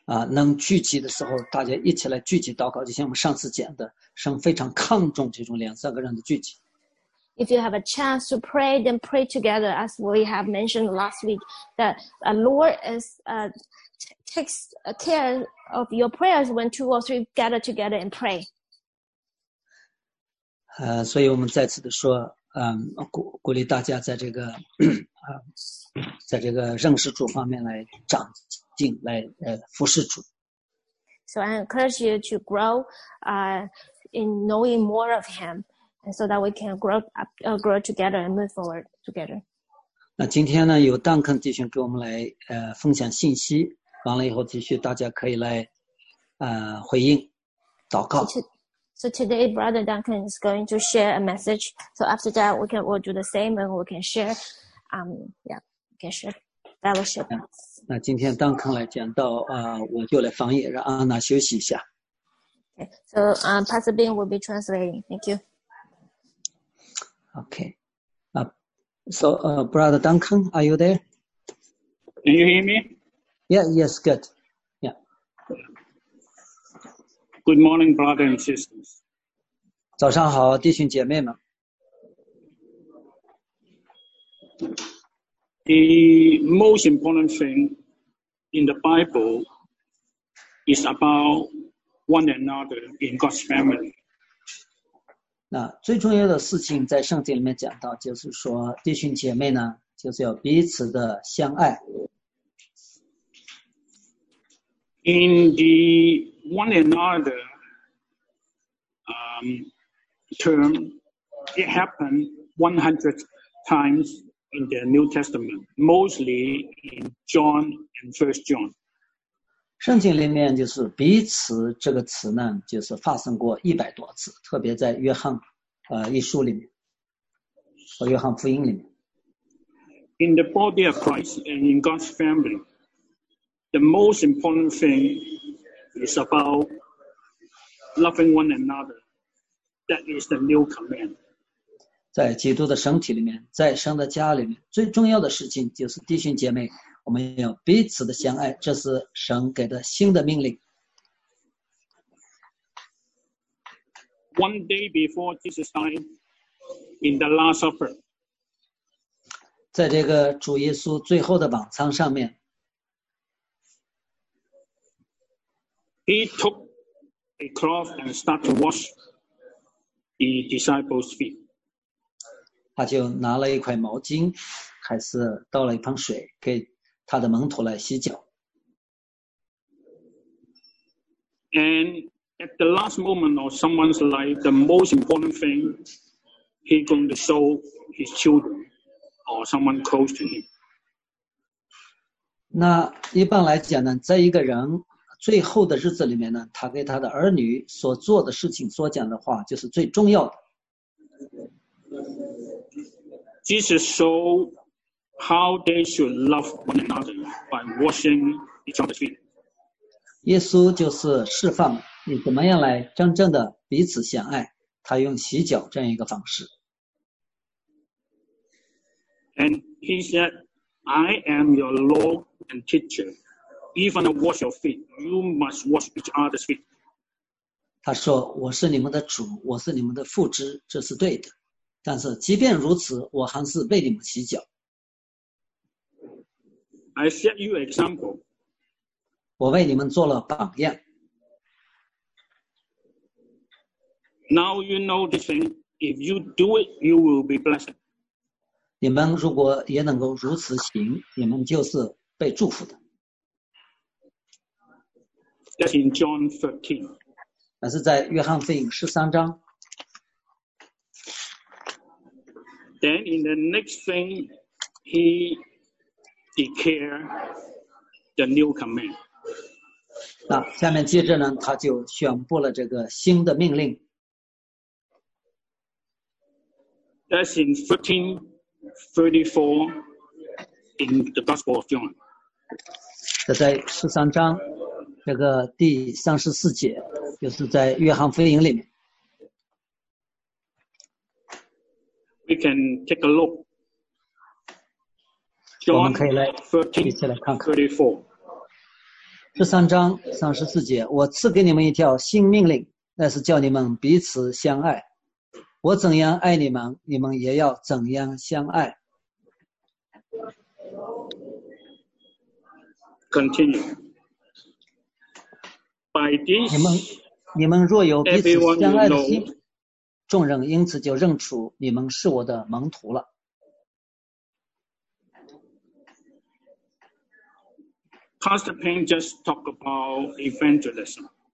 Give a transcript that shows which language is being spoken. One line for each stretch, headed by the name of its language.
Chinese: 能聚集的时候，大家一起来聚集祷告，就像我们上次讲的，神非常看重这种两三个人的聚集。
English: If you have a chance to pray, then pray together, as we have mentioned last week, that the Lord is takes care of your prayers when two or three gather together and pray.
Chinese: 所以我们再次的说，鼓励大家在这个在这个认识主方面来长进，来服侍主。
English: So I encourage you to grow, in knowing more of Him, and so that we can grow together and move forward together.
Chinese: 那今天呢，有邓肯弟兄给我们来分享信息，完了以后继续大家可以来回应祷告。
English: So today, Brother Duncan is going to share a message. So after that, we'll do the same and we can share, we can share fellowship.
Chinese: 那今天 Duncan 来讲到我就来翻译，让安娜休息一下。
English: Okay, so Pastor Bing will be translating. Thank you. Okay. Brother Duncan, are you there? Can you hear me? Yes, good. Good morning, brothers and sisters.
Chinese: 早上好，弟兄姐妹们。
English: The most important thing in the Bible is about one another in God's family.
Chinese: 那最重要的事情在圣经里面讲到，就是说弟兄姐妹呢，就是要彼此的相爱。
English: In the one another term, it happened 100 times in the New Testament, mostly in John and First John.
Chinese: 圣经里面就是彼此这个词呢，就是发生过100多次，特别在约翰一书里面和约翰福音里面。
English: In the body of Christ and in God's family, the most important thing is about loving one another. That is the new command.
Chinese: 在基督的身体里面，在神的家里面，最重要的事情就是弟兄姐妹，我们要彼此的相爱，这是神给的新的命令。
English: One day before Jesus died in the Last Supper.
Chinese: 在这个主耶稣最后的晚餐上面。
English: He took a cloth and started to wash the disciples' feet.
Chinese: 他就拿了一块毛巾，还是倒了一盆水给他的门徒来洗脚。
English: And at the last moment of someone's life, the most important thing, he going to show his children or someone close to him.
Chinese: 那一般来讲呢，在一个人最后的日子里面呢，他给他的儿女所做的事情、所讲的话，就是最重要的。
English: Jesus showed how they should love one another by washing each other's feet.
Chinese: 耶稣就是示范你怎么样来真正的彼此相爱，他用洗脚这样一个方式。
English: And he said, "I am your Lord and teacher." Even wash your feet, you must wash each other's feet.
Chinese: 他说：“我是你们的主，我是你们的父之，这是对的。但是即便如此，我还是为你们洗脚。”
English: I set you example.
Chinese: 我为你们做了榜样。
English: Now you know this thing. If you do it, you will be blessed.
Chinese: 你们如果也能够如此行，你们就是被祝福的。
English: That's in John 13.
Chinese: 那是在约翰福音十三章。
English: Then in the next thing, he declared the new command.
Chinese: 那下面接着呢，他就宣布了这个新的命令。
English: That's in 13:34 in the Gospel of John.
Chinese: 这在十三章这个第三十四节，就是在约翰福音里面。
English: We can take a look.
Chinese: John 我们可以来一起来看看。十三章三十四节，我赐给你们一条新命令，那是叫你们彼此相爱。我怎样爱你们，你们也要怎样相爱。
English: Continue. By this,
Chinese: 你们若有彼此相爱的心。众人因此就认出你们是我的门徒了。
English: Pastor Payne just talked about evangelism.